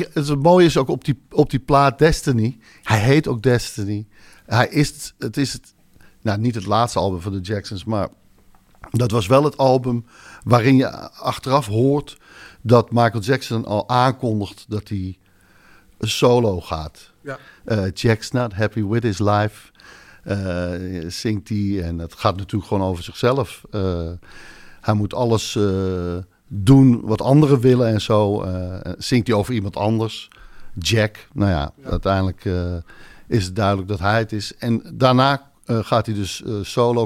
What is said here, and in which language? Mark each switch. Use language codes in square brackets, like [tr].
[nl] Het mooie is ook op die plaat Destiny. Hij heet ook Destiny. Hij is... Het is het, nou, niet het laatste album van de Jacksons, maar dat was wel het album waarin je achteraf hoort dat Michael Jackson al aankondigt dat hij solo gaat. Ja. [en] Jack's not happy with his life. [nl] Zingt hij. En het gaat natuurlijk gewoon over zichzelf. Hij moet alles... doen wat anderen willen en zo. Zingt hij over iemand anders. Jack. Nou ja, ja. Uiteindelijk is het duidelijk dat hij het is. En daarna gaat hij dus solo.